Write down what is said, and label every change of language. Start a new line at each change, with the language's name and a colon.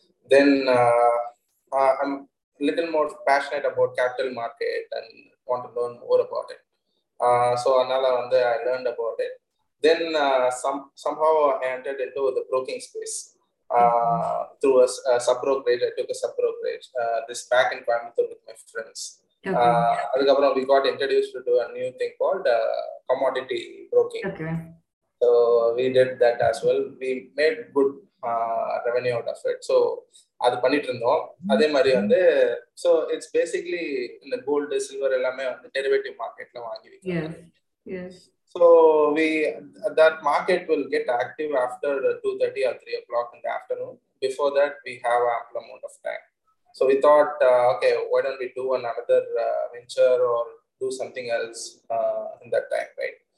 English: Then I'm a little more passionate about capital market and want to learn more about it. So another one that I learned about it. Then somehow I entered into the broking space through a sub-brokerage. I took a sub-brokerage, this back in Coimbatore with my friends. அதுக்கப்புறம் we got introduced to a new thing called commodity broking. So we did that as well, we made good revenue out of it.
Tamil: So அது பண்ணிட்டு இருந்தோம். அதே மாதிரி வந்து so
English: it's basically
Tamil: இந்த gold silver எல்லாமே வந்து டெரிவேட்டிவ் மார்க்கெட்ல வாங்கி வைக்கிறோம்.
English: So we that market will get active after 2:30 or 3 o'clock in the afternoon. Before that we have ample amount of time. So we thought okay, why don't we do another venture or do something else in that time, right?